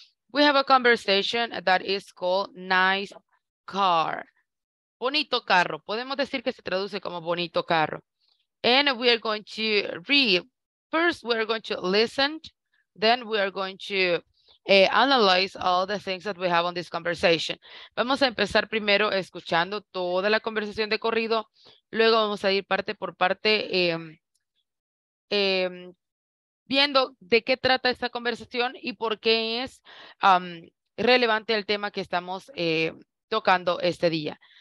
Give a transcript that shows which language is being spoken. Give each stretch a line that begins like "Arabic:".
English: We have a conversation that is called nice car.
Spanish: Bonito carro. Podemos decir que se traduce como bonito carro.
English: And we are going to read. First, we are going to listen. Then, we are going to analyze all the things that we have on this conversation.
Spanish: Vamos a empezar primero escuchando toda la conversación de corrido. Luego vamos a ir parte por parte viendo de qué trata esta conversación y por qué es relevante el tema que estamos tocando este día.